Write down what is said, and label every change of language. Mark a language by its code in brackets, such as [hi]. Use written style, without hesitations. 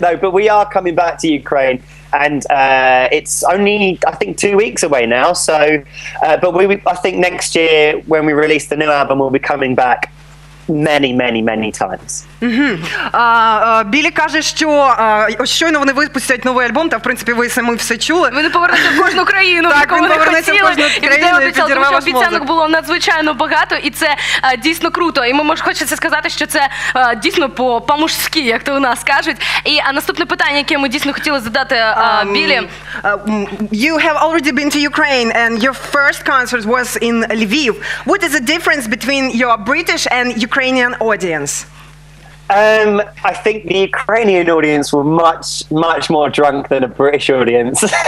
[en] No, but we are coming back to Ukraine, and it's only, I think, 2 weeks away now. So, I think next year, when we release the new album, we'll be coming back. Many, many, many times. [uk] Білі каже, що щойно вони випустять новий альбом, та, в принципі, ви самі все чули. Вони повернуться в кожну країну, так, в яку вони хотіли. В кожну країну, і обіцяли, тому що обіцянок було надзвичайно багато, і це дійсно круто. І мені хочеться сказати, що це дійсно по-мужськи, як то у нас кажуть. І наступне питання, яке ми дійсно хотіли задати Білі. [en] You have already been to Ukraine, and your first concert was in Lviv. What is the difference between your British and Ukrainian audience? I think the Ukrainian audience were much, much more drunk than a British audience.